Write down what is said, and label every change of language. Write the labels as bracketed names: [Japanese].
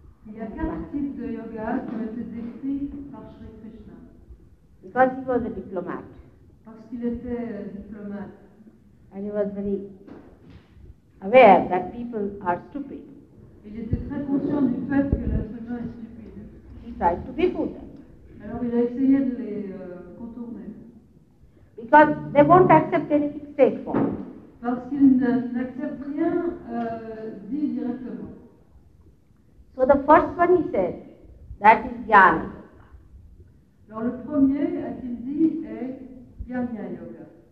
[French] Il y a quatre types de yoga qui ont été [English] Because he was a diplomat. [French] Parce qu'il était diplomate. [English] And he was very aware that people are stupid. [French] Il était très conscient du fait que l'être humain est stupide. [English] He tried to be good. [French] Alors il a essayé de les contourner. [English] Because they won't accept any fixed form. [French] Parce qu'ils n'acceptent rien dit directement. [English] So the first one he said, that is Jnana Yoga. [French] Alors le premier, a-t-il dit, est Jnana Yoga.